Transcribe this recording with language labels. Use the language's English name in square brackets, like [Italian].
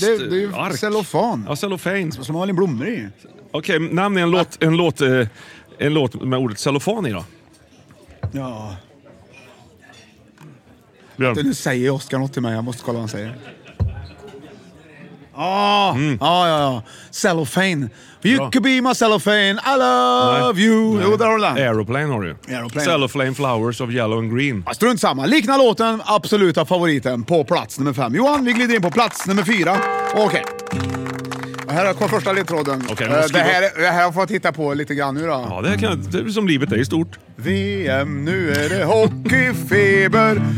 [Swedish] Det är ju cellofan. Ja, cellofan. Som har en blommor i. Okej, nämn en låt med ordet cellofan i då. Ja. Björn. Nu säger Oskar något till mig, jag måste kolla vad han säger. Ja. Cellofan. [English] You could be my cellophane, I love you. [Swedish] Jo, där har du den. [English] Aeroplane [Swedish] har du. [English] Cellophane flowers of yellow and green. [Swedish] Strunt samma. Liknar låten, absoluta favoriten på plats nummer 5. Johan, vi glider in på plats nummer 4. Okej. Här kommer första ledtråden. Det här har jag fått titta på lite grann nu då. Ja, det här kan jag, det är som livet är i stort. VM, nu är det hockeyfeber.